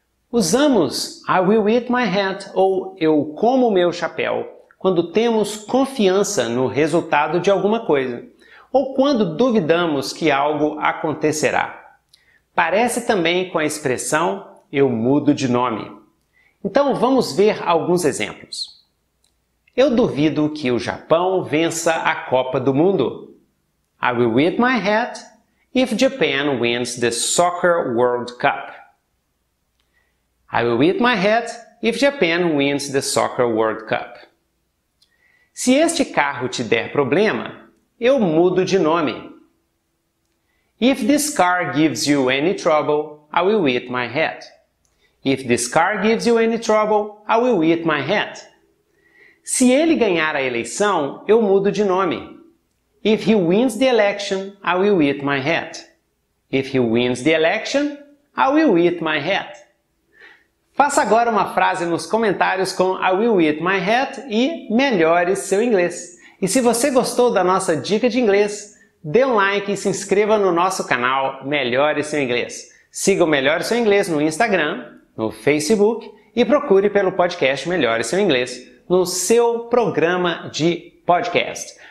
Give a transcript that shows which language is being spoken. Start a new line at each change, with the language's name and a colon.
Portuguese: Usamos
English: I will eat my hat
Portuguese: ou eu como meu chapéu quando temos confiança no resultado de alguma coisa ou quando duvidamos que algo acontecerá. Parece também com a expressão eu mudo de nome. Então vamos ver alguns exemplos. Eu duvido que o Japão vença a Copa do Mundo.
English: I will eat my hat if Japan wins the Soccer World Cup. I will eat my hat if Japan wins the Soccer World Cup.
Portuguese: Se este carro te der problema, eu mudo de nome.
English: If this car gives you any trouble, I will eat my hat. If this car gives you any trouble, I will eat my hat.
Portuguese: Se ele ganhar a eleição, eu mudo de nome.
English: If he wins the election, I will eat my hat. If he wins the election, I will eat my hat.
Portuguese: Faça agora uma frase nos comentários com
English: I will eat my hat
Portuguese: e melhore seu inglês. E se você gostou da nossa dica de inglês, dê um like e se inscreva no nosso canal Melhore Seu Inglês. Siga o Melhore Seu Inglês no Instagram, no Facebook e procure pelo podcast Melhore Seu Inglês no seu programa de podcast.